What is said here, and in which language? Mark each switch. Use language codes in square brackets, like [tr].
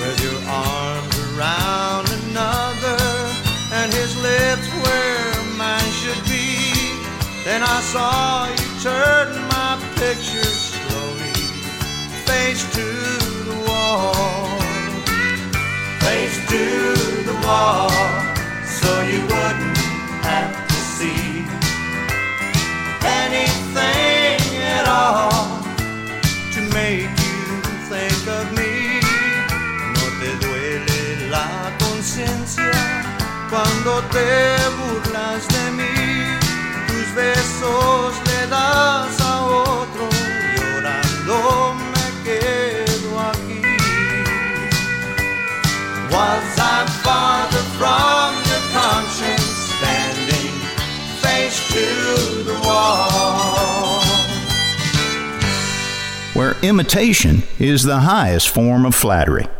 [en] With your arms around another, and his lips where mine should be, then I saw you turn my picture slowly face to the wall. Face to the wall, so you wouldn't have to see anything at all to make you think of me. [es] No te duele la conciencia cuando te burlas de mí. Tus besos le das a otro, llorando me quedo aquí. [en] Was I farther from your conscience, standing face to the wall? Where imitation is the highest form of flattery.